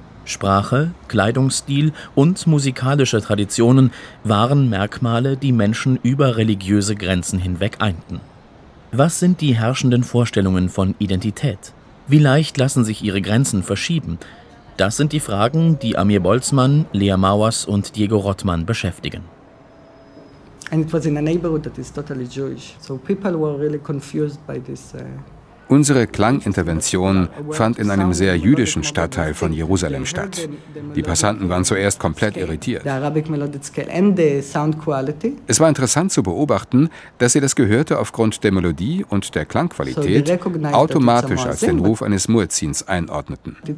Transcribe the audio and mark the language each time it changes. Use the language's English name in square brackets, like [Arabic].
[German] Sprache, Kleidungsstil und musikalische Traditionen waren Merkmale, die Menschen über religiöse Grenzen hinweg einten. Was sind die herrschenden Vorstellungen von Identität? Wie leicht lassen sich ihre Grenzen verschieben? Das sind die Fragen, die Amir Boltzmann, Lea Mauers und Diego Rottmann beschäftigen. [English] And it was in a neighborhood that is totally Jewish. So people were really confused by this. [German] Unsere Klangintervention fand in einem sehr jüdischen Stadtteil von Jerusalem statt. Die Passanten waren zuerst komplett irritiert. Es war interessant zu beobachten, dass sie das Gehörte aufgrund der Melodie und der Klangqualität automatisch als den Ruf eines Muezzins einordneten.